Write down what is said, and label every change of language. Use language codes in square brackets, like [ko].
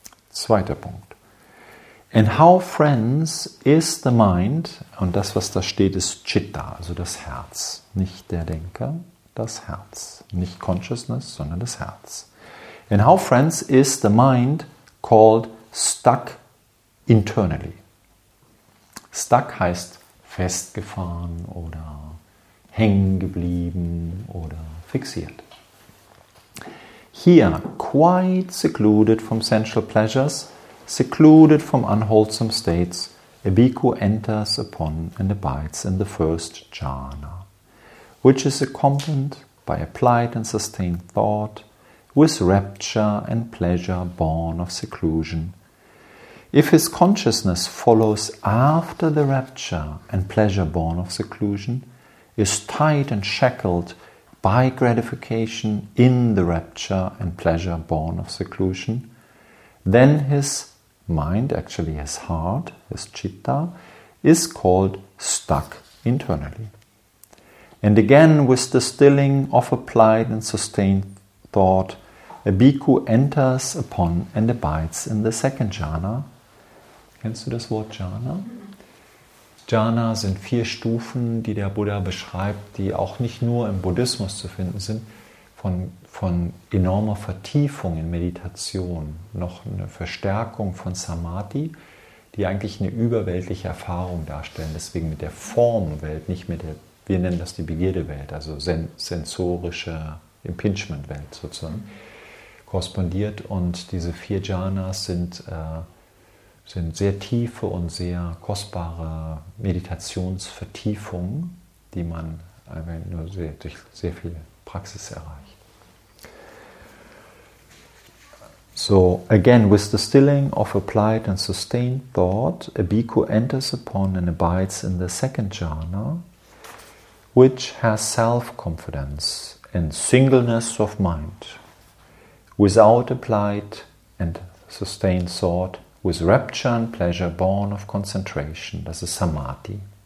[de] Zweiter Punkt. [en] And how, friends, is the mind, [de] und das, was da steht, ist Chitta, also das Herz, nicht der Denker, das Herz. Nicht Consciousness, sondern das Herz. [en] And how, friends, is the mind called stuck internally? [de] Stuck heißt festgefahren oder hängen geblieben oder fixiert. [en] Here, quite secluded from sensual pleasures, secluded from unwholesome states, a bhikkhu enters upon and abides in the first jhana, which is accompanied by applied and sustained thought, with rapture and pleasure born of seclusion. If his consciousness follows after the rapture and pleasure born of seclusion, is tied and shackled by gratification in the rapture and pleasure born of seclusion, then his mind, actually his heart, his citta, is called stuck internally. And again, with the stilling of applied and sustained thought, a bhikkhu enters upon and abides in the second jhana. [de] Kennst du das Wort jhana? Jhana sind vier Stufen, die der Buddha beschreibt, die auch nicht nur im Buddhismus zu finden sind, von enormer Vertiefung in Meditation, noch eine Verstärkung von Samadhi, die eigentlich eine überweltliche Erfahrung darstellen, deswegen mit der Formwelt, nicht mit der, wir nennen das die Begierdewelt, also sensorische Impingementwelt sozusagen, korrespondiert. Und diese vier Jhanas sind sehr tiefe und sehr kostbare Meditationsvertiefungen, die man nur durch sehr viel Praxis erreicht. [en] So, again, with the stilling of applied and sustained thought, a bhikkhu enters upon and abides in the second jhana, which has self-confidence and singleness of mind, without applied and sustained thought, with rapture and pleasure born of concentration, [de] das ist Samadhi.